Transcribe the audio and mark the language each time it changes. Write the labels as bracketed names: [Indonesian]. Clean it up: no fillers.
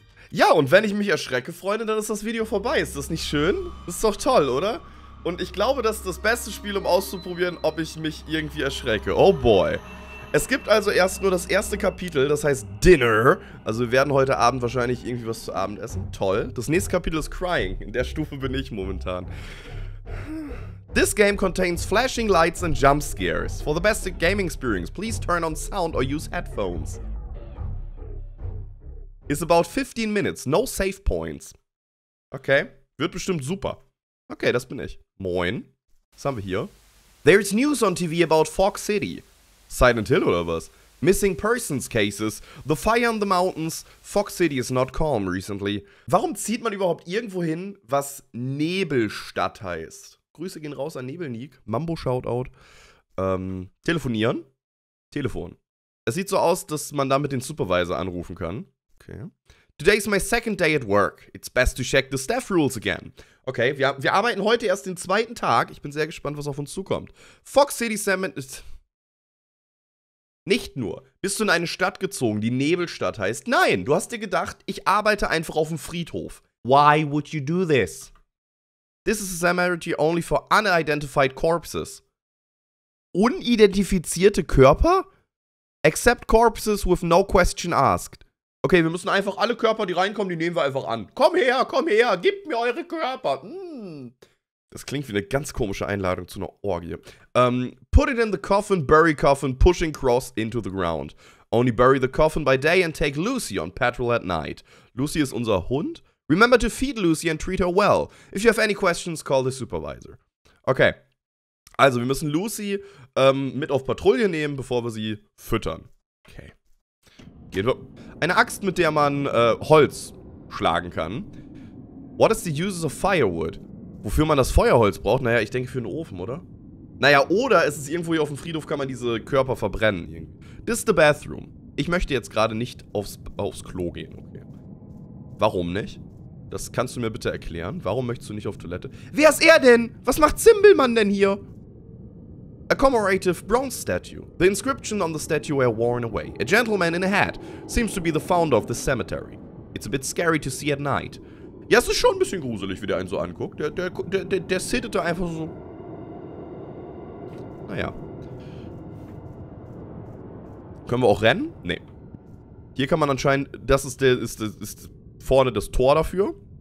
[German] Ja, und wenn ich mich erschrecke, Freunde, dann ist das Video vorbei. Ist das nicht schön? Ist doch toll, oder? Und ich glaube, das ist das beste Spiel, um auszuprobieren, ob ich mich irgendwie erschrecke. [English] Oh boy. [German] Es gibt also erst nur das erste Kapitel, das heißt Dinner. Also wir werden heute Abend wahrscheinlich irgendwie was zu Abend essen. Toll. Das nächste Kapitel ist Crying. In der Stufe bin ich momentan. [English] This game contains flashing lights and jump scares. For the best gaming experience, please turn on sound or use headphones. It's about 15 minutes. No save points. [German] Okay. Wird bestimmt super. Okay, das bin ich. Moin. Was haben wir hier? [English] There's news on TV about Fog City. Silent Hill [German] oder was? [English] Missing persons cases. The fire on the mountains. Fog City is not calm recently. [German] Warum zieht man überhaupt irgendwo hin, was Nebelstadt heißt? Grüße gehen raus an Nebelnik. Mambo-Shoutout. Telefonieren. Telefon. Es sieht so aus, dass man damit den Supervisor anrufen kann. [English] Okay. Today's my second day at work. It's best to check the staff rules again. [German] Okay, wir arbeiten heute erst den zweiten Tag. Ich bin sehr gespannt, was auf uns zukommt. Fog City Salmon ist... Nicht nur. Bist du in eine Stadt gezogen, die Nebelstadt heißt? Nein, du hast dir gedacht, ich arbeite einfach auf dem Friedhof. [English] Why would you do this? This is a cemetery only for unidentified corpses. [German] Unidentifizierte Körper? [English] Except corpses with no question asked. [German] Okay, wir müssen einfach alle Körper, die reinkommen, die nehmen wir einfach an. Komm her, gib mir eure Körper. Das klingt wie eine ganz komische Einladung zu einer Orgie. [English] Put it in the coffin, bury coffin, pushing cross into the ground. Only bury the coffin by day and take Lucy on patrol at night. [German] Lucy ist unser Hund. [English] Remember to feed Lucy and treat her well. If you have any questions, call the supervisor. [German] Okay, also wir müssen Lucy mit auf Patrouille nehmen, bevor wir sie füttern. Okay. Eine Axt, mit der man Holz schlagen kann. [English] What is the use of firewood? [German] Wofür man das Feuerholz braucht? Naja, ich denke für einen Ofen, oder? Naja, oder ist es irgendwo hier auf dem Friedhof, kann man diese Körper verbrennen. [English] This is the bathroom. [German] Ich möchte jetzt gerade nicht aufs Klo gehen. Okay. Warum nicht? Das kannst du mir bitte erklären. Warum möchtest du nicht auf Toilette? Wer ist er denn? Was macht Zimbelmann denn hier? [English] A commemorative bronze statue. The inscription on the statue were worn away. A gentleman in a hat seems to be the founder of the cemetery. It's a bit scary to see at night. [German] Ja, es ist schon ein bisschen gruselig, wie der einen so anguckt. Der sittet da einfach so. Naja. Können wir auch rennen? Nee. Hier kann man anscheinend. Das ist vorne das Tor dafür.